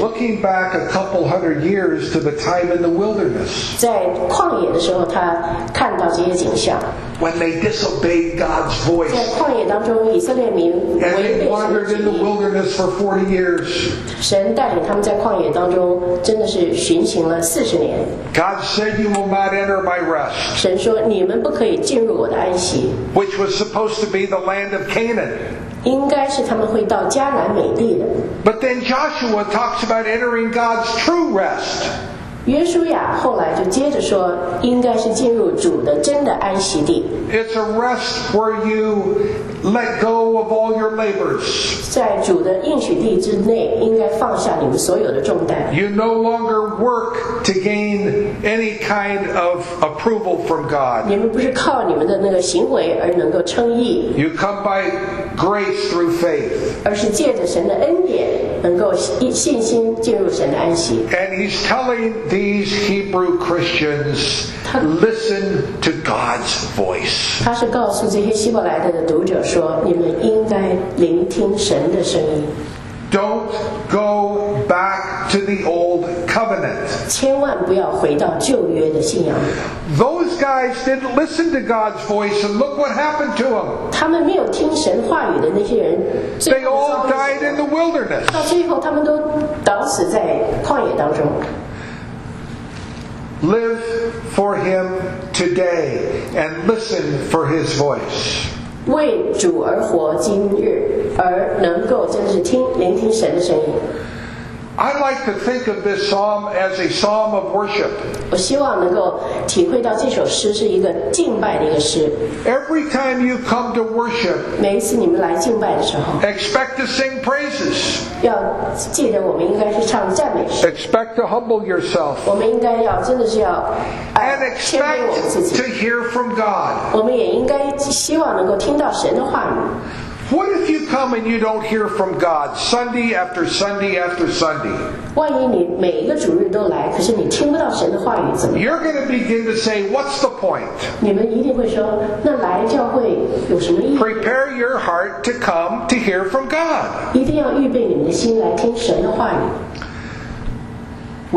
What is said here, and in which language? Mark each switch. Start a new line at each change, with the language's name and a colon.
English: Was looking back a couple hundred years to the time in the wilderness.
Chinese: 在旷野的时候，他看到这些景象。
English: When they disobeyed God's voice.
Chinese: 在旷野当中，以色列民违背神的旨意。
English: And they wandered in the wilderness for 40 years.
Chinese: 神带领他们在旷野当中，真的是巡行了四十年。
English: God said, "You will not enter my rest."
Chinese: 神说，你们不可以进入我的安息。
English: Which was supposed to be the land of Canaan.
Chinese: 应该是他们会到迦南美地的。
English: But then Joshua talks about entering God's true rest.
Chinese: 约书亚后来就接着说，应该是进入主的真的安息地。
English: It's a rest where you let go of all your labors.
Chinese: 在主的应许地之内，应该放下你们所有的重担。
English: You no longer work to gain any kind of approval from God.
Chinese: 你们不是靠你们的那个行为而能够称义。
English: You come by grace through faith.
Chinese: 而是借着神的恩典，能够信心进入神的安息。
English: And he's telling these Hebrew Christians, listen to God's voice.
Chinese: 他是告诉这些希伯来的读者说，你们应该聆听神的声音。
English: Don't go back to the old covenant.
Chinese: 千万不要回到旧约的信仰。
English: Those guys didn't listen to God's voice, and look what happened to them.
Chinese: 他们没有听神话语的那些人。
English: They all died in the wilderness.
Chinese: 到最后，他们都倒死在旷野当中。
English: Live for Him today, and listen for His voice.
Chinese: 为主而活今日，而能够真的是聆听神的声音。
English: I like to think of this psalm as a psalm of worship.
Chinese: 我希望能够体会到这首诗是一个敬拜的一个诗。
English: Every time you come to worship,
Chinese: 每一次你们来敬拜的时候
English: ，expect to sing praises.
Chinese: 要记得我们应该是唱赞美诗。
English: Expect to humble yourself.
Chinese: 我们应该要真的是要谦卑我们自己。
English: To hear from God.
Chinese: 我们也应该希望能够听到神的话语。
English: What if you come and you don't hear from God Sunday after Sunday after Sunday?
Chinese: 万一你每一个主日都来，可是你听不到神的话语，怎么？
English: You're going to begin to say, "What's the point?"
Chinese: 你们一定会说，那来教会有什么意义？
English: Prepare your heart to come to hear from God.
Chinese: 一定要预备你们的心来听神的话语。